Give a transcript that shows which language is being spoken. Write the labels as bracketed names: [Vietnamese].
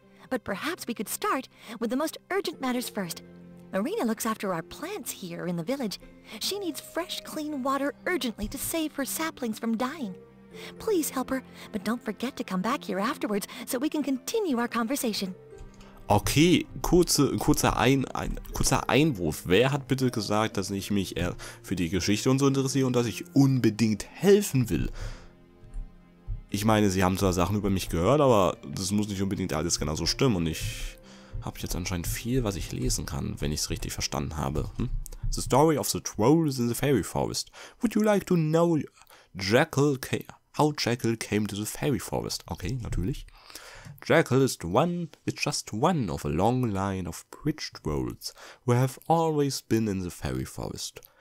[English] But perhaps we could start with the most urgent matters first. Marina looks after our plants here in the village. She needs fresh, clean water urgently to save her saplings from dying. Please help her, but don't forget to come back here afterwards so we can continue our conversation. [German] Okay, kurzer Einwurf. Wer hat bitte gesagt, dass ich mich eher für die Geschichte und so interessiere und dass ich unbedingt helfen will? Ich meine, sie haben zwar Sachen über mich gehört, aber das muss nicht unbedingt alles genauso stimmen. Und ich habe jetzt anscheinend viel, was ich lesen kann, wenn ich es richtig verstanden habe. [English] The story of the trolls in the fairy forest. Would you like to know how Jackal came to the fairy forest? Okay, [German] natürlich. [English] Jackal is just one of a long line of bridge trolls who have always been in the fairy forest.